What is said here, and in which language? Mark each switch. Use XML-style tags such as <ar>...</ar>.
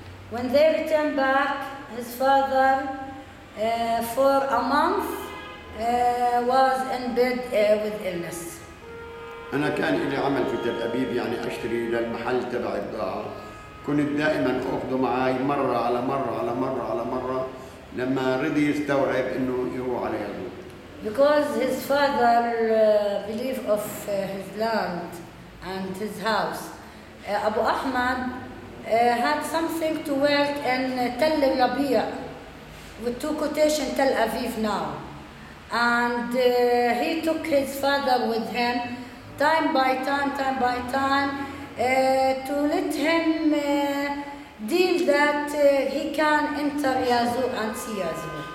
<en>When they return back, his father for a month was in bed with illness.</en> <ar>أنا كان إلي عمل في تل أبيب يعني أشتري للمحل تبع البضاعة. كنت دائما أخذه معي مرة على مرة على مرة على مرة لما رضي يستوعب إنه يروح على يزور.</ar> <en>Because his father believe of his land and his house. أبو أحمد had something to work in Tel Rabia with two quotation Tel Aviv now. And he took his father with him time by time to let him deal that he can enter Yazur and see Yazur.</en>